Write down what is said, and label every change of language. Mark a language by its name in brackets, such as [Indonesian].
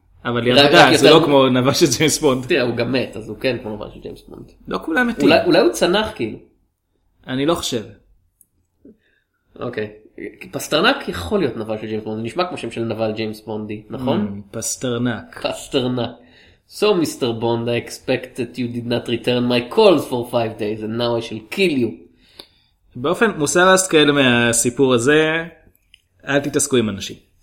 [Hebrew] אבל ירדה, זה לא כמו נבל של ג'יימס בונד. תראה, הוא גם מת, אז הוא כן כמו נבל של ג'יימס בונד. לא כולם מתים. אולי הוא צנח, כאילו. אני לא חושב. אוקיי. פסטרנק יכול להיות נבל של ג'יימס בונד, זה נשמע כמו שם של נבל ג'יימס בונדי, נכון? פסטרנק. [English] פסטרנק. So Mr. Bond, I expect that you did not return my calls for 5 days and now I shall kill you. [Hebrew] באופן מוסר השכל מהסיפור הזה, אל תתעסקו עם אנשים.